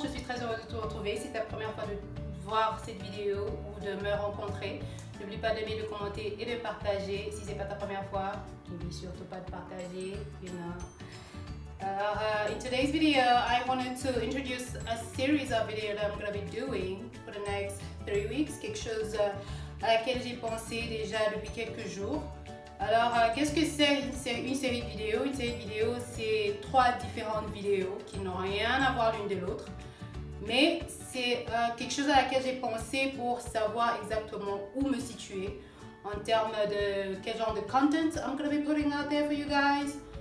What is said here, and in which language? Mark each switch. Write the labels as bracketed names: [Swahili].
[French] Je suis très heureuse de te retrouver. Si c'est ta première fois de voir cette vidéo ou de me rencontrer, n'oublie pas d'aimer, de commenter et de partager. Si c'est pas ta première fois, n'oublie surtout pas de partager. [English] You know. In today's video, I wanted to introduce a series of videos that I'm going to be doing for the next 3 weeks. [French] Quelque chose à laquelle j'ai pensé déjà depuis quelques jours. Alors, qu'est-ce que c'est une série de vidéos? Une série de vidéos, c'est 3 différentes vidéos qui n'ont rien à voir l'une de l'autre. Mais c'est quelque chose à laquelle j'ai pensé pour savoir exactement où me situer en termes de quel genre de [English] content I'm going to be putting out there for you guys.